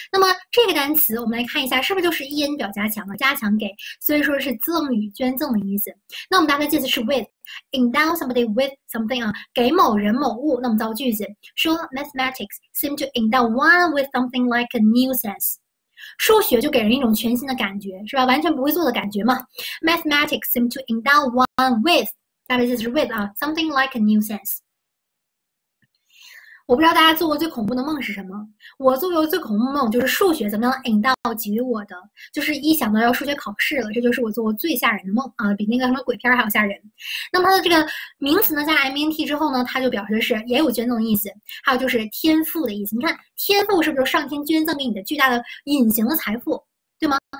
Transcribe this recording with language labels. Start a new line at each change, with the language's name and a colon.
Chinese: 那么这个单词，我们来看一下，是不是就是 en 表加强了，加强给，所以说是赠与、捐赠的意思。那我们搭配介词是 with，
English: endow somebody with something
Chinese: 啊，给某人某物。那我们造句子，说
English: mathematics seem to endow one with something like a new sense。
Chinese: 数学就给人一种全新的感觉，是吧？完全不会做的感觉嘛。
English: Mathematics seem to endow one with，
Chinese: 搭配介词是 with 啊，
English: something like a new sense。
Chinese: 我不知道大家做过最恐怖的梦是什么？我做过最恐怖的梦就是数学怎么样 endow 给予我的，就是一想到要数学考试了，这就是我做过最吓人的梦啊，比那个什么鬼片还要吓人。那么它的这个名词呢，加 ment 之后呢，它就表示是也有捐赠的意思，还有就是天赋的意思。你看，天赋是不是上天捐赠给你的巨大的隐形的财富，对吗？